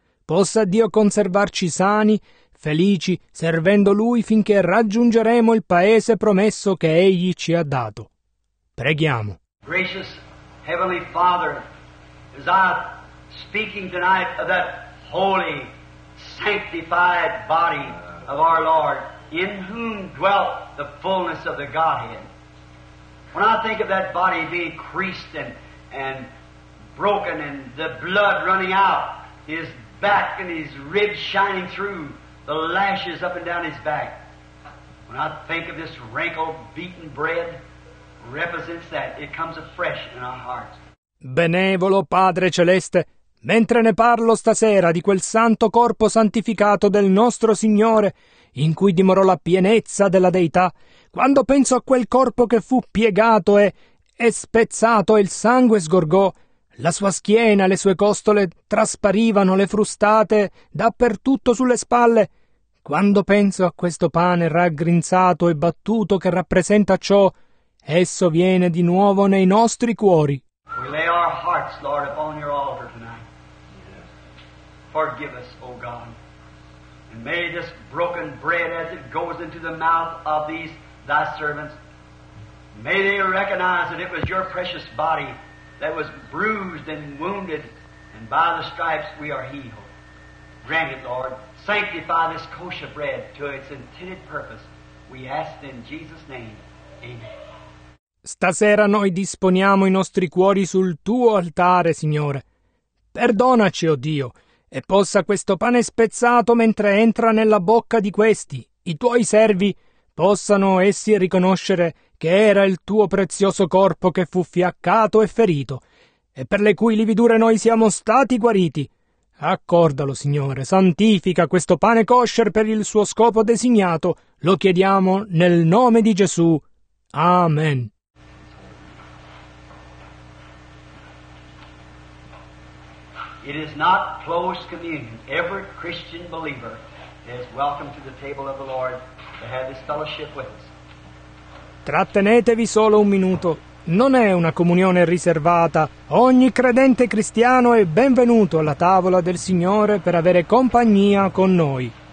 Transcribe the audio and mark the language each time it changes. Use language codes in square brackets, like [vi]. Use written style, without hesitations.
[it] Possa Dio conservarci sani, felici, servendo Lui finché raggiungeremo il paese promesso che Egli ci ha dato. Preghiamo. [en] Gracious Heavenly Father, as I'm speaking tonight of that holy, sanctified body of our Lord, in whom dwelt the fullness of the Godhead, when I think of that body being creased and broken and the blood running out, his back and his ribs shining through, the lashes up and down his back, when I think of this wrinkled, beaten bread, represents that it comes afresh in our hearts. [it] Benevolo Padre Celeste, mentre ne parlo stasera di quel santo corpo santificato del nostro Signore, in cui dimorò la pienezza della Deità, quando penso a quel corpo che fu piegato e spezzato e il sangue sgorgò, la sua schiena, le sue costole trasparivano, le frustate dappertutto sulle spalle, quando penso a questo pane raggrinzato e battuto che rappresenta ciò, esso viene di nuovo nei nostri cuori. [en] We lay our hearts, Lord, upon your altar tonight. Yes. Forgive us, O God, And may this broken bread, as it goes into the mouth of these thy servants, may they recognize that it was your precious body that was bruised and wounded, and by the stripes we are healed. Grant it, Lord. Sanctify this kosher bread to its intended purpose. We ask in Jesus' name. Amen. [it] Stasera noi disponiamo i nostri cuori sul tuo altare, Signore. Perdonaci, oh Dio, e possa questo pane spezzato mentre entra nella bocca di questi, i tuoi servi, possano essi riconoscere che era il tuo prezioso corpo che fu fiaccato e ferito, e per le cui lividure noi siamo stati guariti. Accordalo, Signore, santifica questo pane kosher per il suo scopo designato, lo chiediamo nel nome di Gesù. Amen. [en] It is not closed communion. Every Christian believer is welcome to the table of the Lord to have this fellowship with us. [it] Trattenetevi solo un minuto. Non è una comunione riservata. Ogni credente cristiano è benvenuto alla tavola del Signore per avere compagnia con noi.